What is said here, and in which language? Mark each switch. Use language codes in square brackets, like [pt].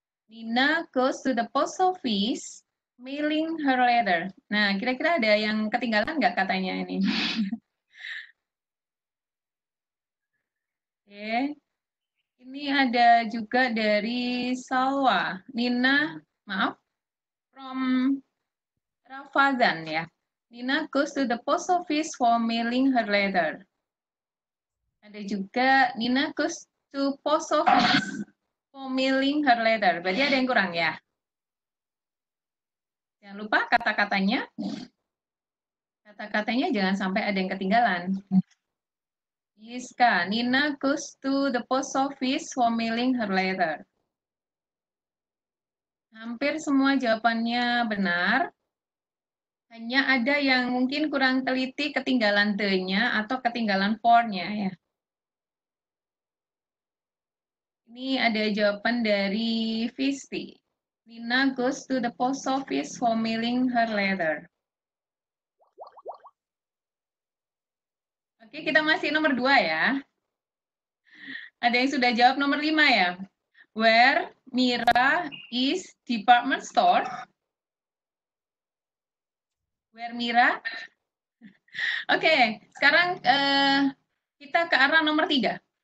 [en] Nina goes to the post office mailing her letter. [id] Nah, kira-kira ada yang ketinggalan nggak katanya ini? Oke. Okay. Ini ada juga dari Salwa. Nina, maaf. From Rafadhan ya. [en] Nina goes to the post office for mailing her letter. [id] Ada juga [en] Nina goes to post office for mailing her letter. [id] Berarti ada yang kurang ya. Jangan lupa kata-katanya. Kata-katanya jangan sampai ada yang ketinggalan. [en] Yiska, Nina goes to the post office for mailing her letter. [id] Hampir semua jawabannya benar. Hanya ada yang mungkin kurang teliti ketinggalan the-nya atau ketinggalan for-nya ya. Ini ada jawaban dari Visti. [en] Nina goes to the post office for mailing her letter. [id] Oke, kita masih nomor dua ya. Ada yang sudah jawab nomor lima ya. [en] Where Mira is department store. [id] Where Mira? Oke, sekarang kita ke arah nomor tiga.